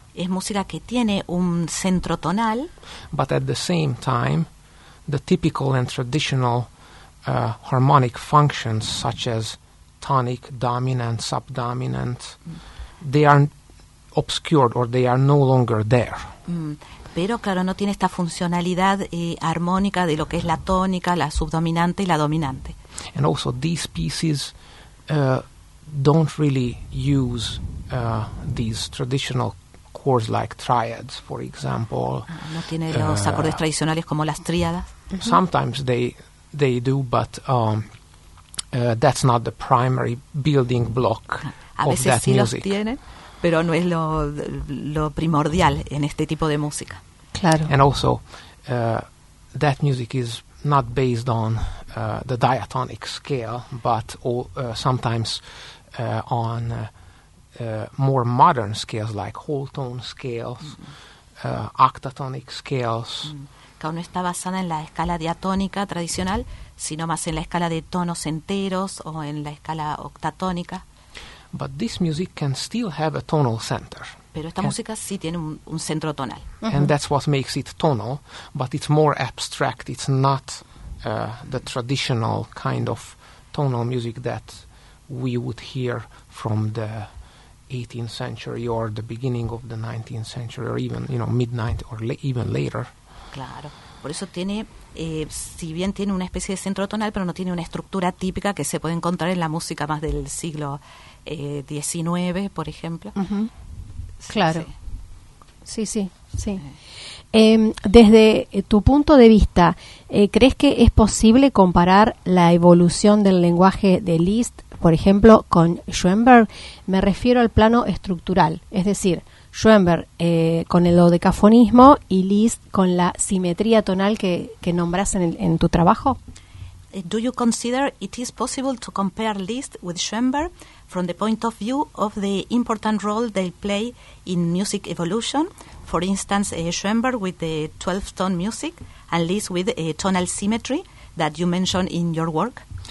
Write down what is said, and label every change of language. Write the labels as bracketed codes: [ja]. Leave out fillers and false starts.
[es] Es música que tiene un centro tonal. [en] But at the same time, the typical and traditional harmonic functions, such as tonic, dominant, subdominant, they are obscured or they are no longer there. [es] Pero claro, no tiene esta funcionalidad armónica de lo que es la tónica, la subdominante y la dominante. [en] And also these pieces don't really use these traditional chords like triads, for example. [es] No tiene los acordes tradicionales como las tríadas. [en] Sometimes they do, but that's not the primary building block of that [es] music. A veces sí los tienen, pero no es lo primordial en este tipo de música. Claro. [en] And also, that music is not based on the diatonic scale, but sometimes on more modern scales like whole tone scales, octatonic scales. [es] Que no está basada en la escala diatónica tradicional, sino más en la escala de tonos enteros o en la escala octatónica. [en] But this music can still have a tonal center. [es] pero esta música sí tiene un centro tonal. Uh-huh. [en] And that's what makes it tonal, but it's more abstract. It's not the traditional kind of tonal music that we would hear from the 18th century or the beginning of the 19th century or even, you know, midnight or even later. [es] Claro. Por eso tiene, si bien tiene una especie de centro tonal, pero no tiene una estructura típica que se puede encontrar en la música más del siglo XIX, por ejemplo. Uh-huh. Claro. Sí. Desde tu punto de vista, ¿crees que es posible comparar la evolución del lenguaje de Liszt, por ejemplo, con Schoenberg? Me refiero al plano estructural, es decir, Schoenberg con el dodecafonismo y Liszt con la simetría tonal que nombras en tu trabajo. [en] Do you consider it is possible to compare Liszt with Schoenberg from the point of view of the important role they play in music evolution? For instance, Schoenberg with the 12-tone music and Liszt with a tonal symmetry that you mention in your work?